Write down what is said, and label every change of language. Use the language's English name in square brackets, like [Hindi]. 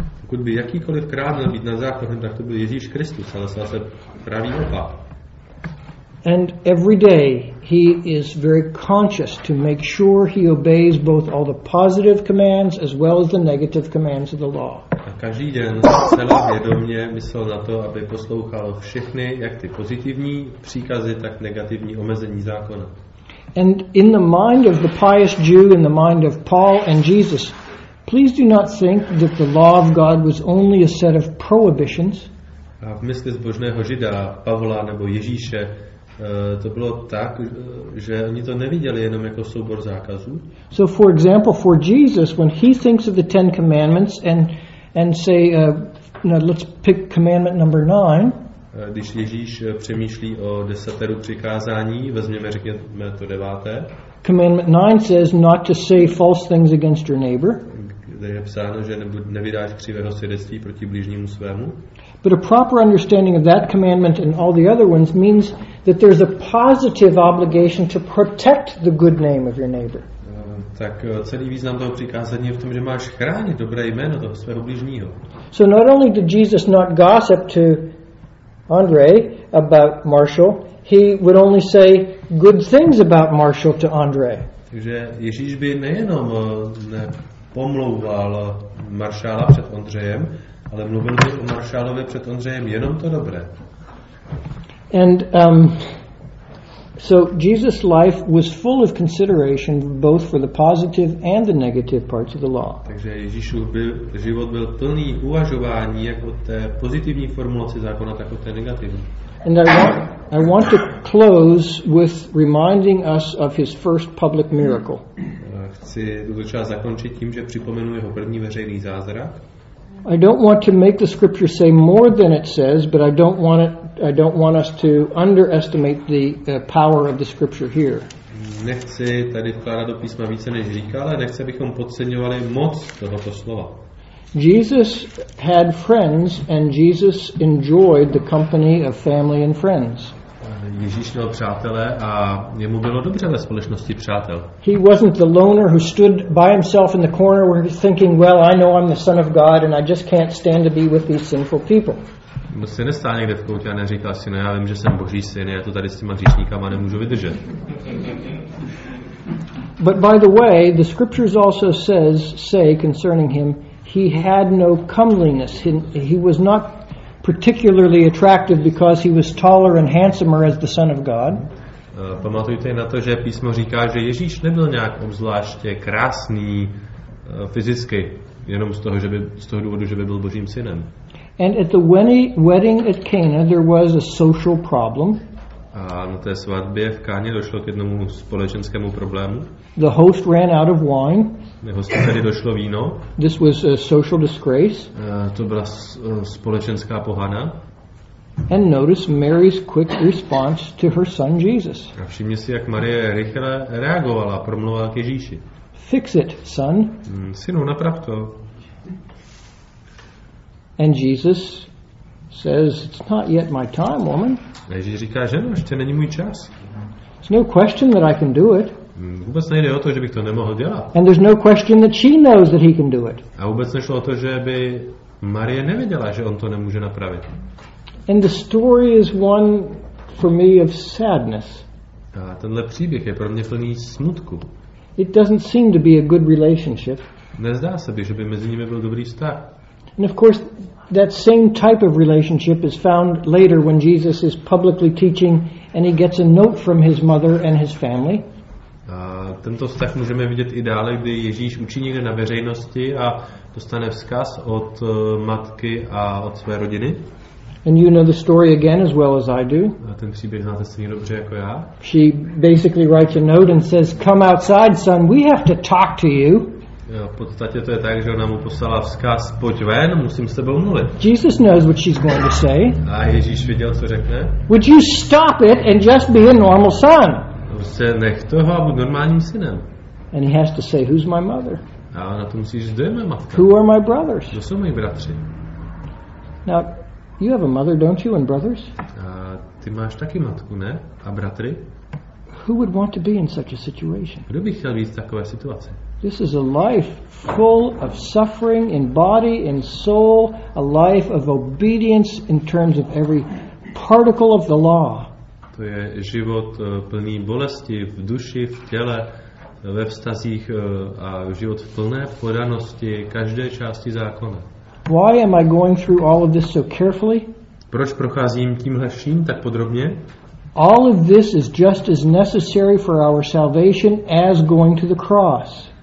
[Czech] Pokud by jakýkoliv král měl být na zákonem, tak to byl Ježíš Kristus, ale zase pravý opak. [English] And every day he is very conscious to make sure he obeys both all the positive commands as well as the negative commands of the law. [Czech] A každý den celé vědomě myslel na to, aby poslouchal všechny, jak ty pozitivní příkazy, tak negativní omezení zákona. [English] And in the mind of the pious Jew, in the mind of Paul and Jesus, Please do not think that the law of God was only a set of prohibitions. [Czech] A v mysli zbožného Žida, Pavla nebo Ježíše, to bylo tak, že oni to neviděli jenom jako soubor zákazů. [English] So for example, for Jesus, when he thinks of the Ten Commandments and say, now let's pick commandment number 9. [Czech] Když Ježíš přemýšlí o desateru přikázání, vezměme řekněme to deváté. [English] Commandment 9 says not to say false things against your neighbor. [Czech] Kde je psáno, že nevydáš křivého svědectví proti blížnímu svému. [English] But a proper understanding of that commandment and all the other ones means that there's a positive obligation to protect the good name of your neighbor. [Czech] Tak celý význam toho přikázání je v tom, že máš chránit dobré jméno toho svého blížního. [English] So not only did Jesus not gossip to Andre about Marshall, he would only say good things about Marshall to Andre. [Czech] Takže Ježíš by nejenom nepomlouval Maršála před Ondřejem, ale mluvil by o Maršálovi před Ondřejem jenom to dobré. [English] And so Jesus' life was full of consideration both for the positive and the negative parts of the law. [Czech] Takže Ježíšův život byl plný uvažování jak o té pozitivní formulaci zákona, tak o té negativní. [English] And I want to close with reminding us of his first public miracle. [Czech] Chci tuto část zakončit tím, že připomenu jeho první veřejný zázrak. [English] I don't want to make the scripture say more than it says, but I don't want us to underestimate the power of the scripture here. [Czech] Nechci tady vkládat do písma více, než říká, ale nechci, abychom podceňovali moc tohoto slova. [English] Jesus had friends and Jesus enjoyed the company of family and friends. [Czech] Ježíš měl přátelé a jemu bylo dobře ve společnosti přátel. [English] He wasn't the loner who stood by himself in the corner where he's thinking, well, I know I'm the son of God and I just can't stand to be with these sinful people. [Czech] On se nestál někde v koutě a neříkal si, no já vím, že jsem Boží syn, já to tady s těma hříšníkama nemůžu vydržet. [English] But by the way, the scriptures also say concerning him, he had no comeliness. He was not particularly attractive because he was taller and handsomer as the son of God. [Czech] Pamatujte na to, že písmo říká, že Ježíš nebyl nějak obzvláště krásný fyzicky, jenom z toho důvodu, že by byl Božím synem. [English] And at the wedding at Cana there was a social problem. [Czech] A na té svatbě v Káně došlo k jednomu společenskému problému. [English] The host ran out of wine. [Czech] Hostiteli došlo víno. [English] This was a social disgrace. [Czech] To byla společenská pohana. [English] And notice Mary's quick response to her son Jesus. [Czech] A všimně si, jak Marie rychle reagovala, promluvala k Ježíši. [English] Fix it, son. [Czech] Synu, naprav to. [English] And Jesus says, it's not yet my time, woman. [Czech] Ježíš říká, ženo, ještě není můj čas. [English] It's no question that I can do it. [Czech] Vůbec nejde o to, že bych to nemohl dělat. [English] And there's no question that she knows that he can do it. [Czech] A vůbec nešlo o to, že by Marie nevěděla, že on to nemůže napravit. [English] And the story is one for me of sadness. [Czech] A tenhle příběh je pro mě plný smutku. [English] It doesn't seem to be a good relationship. [Czech] Nezdá se, že by mezi nimi byl dobrý vztah. [English] And of course, that same type of relationship is found later when Jesus is publicly teaching and he gets a note from his mother and his family. [Czech] A tento vztah můžeme vidět i dále, kdy Ježíš učí někde na veřejnosti a dostane vzkaz od matky a od své rodiny. [English] And you know the story again as well as I do. [Czech] A ten příběh znáte stejně dobře jako já. [English] She basically writes a note and says, come outside, son, we have to talk to you. [Czech] V podstatě to je tak, že ona mu poslala vzkaz, pojď ven, musím s tebou mluvit. [English] Jesus knows what she's going to say. [Czech] A Ježíš viděl, co řekne. [English] Would you stop it and just be a normal son? [Czech] Se nech toho a buď normálním synem. [English] And he has to say, who's my mother? [Czech] A ona to musí říct, kdo je moje matka? [English] Who are my brothers? [Czech] Kdo jsou moji bratři? [English] Now, you have a mother, don't you, and brothers? [Czech] A ty máš taky matku, ne? A bratry? [English] Who would want to be in such a situation? [Czech] Kdo by chtěl být v takové situaci? [English] This is a life full of suffering in body and soul, a life of obedience in terms of every particle of the law. [Czech] To je život plný bolesti v duši, v těle, ve vztazích a život v plné podanosti každé části zákona. [English] Why am I going through all of this so carefully? [Czech] Proč procházím tímhle vším tak podrobně? [English] All of this is just as necessary for our salvation as going to the cross.